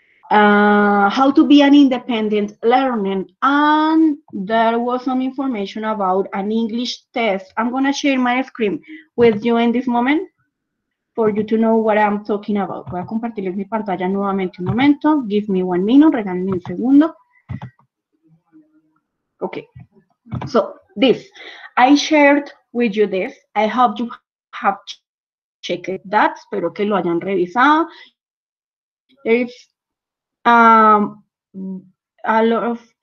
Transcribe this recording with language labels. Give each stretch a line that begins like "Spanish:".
English: How to be an independent learner, and there was some information about an English test. I'm gonna share my screen with you in this moment for you to know what I'm talking about.
Spanish: Voy a compartirles mi pantalla nuevamente un momento.
English: Give me 1 minute,
Spanish: regálenme un segundo.
English: Okay, so this, I shared with you this. I hope you have checked that.
Spanish: Espero que lo hayan revisado.
English: There is a lot of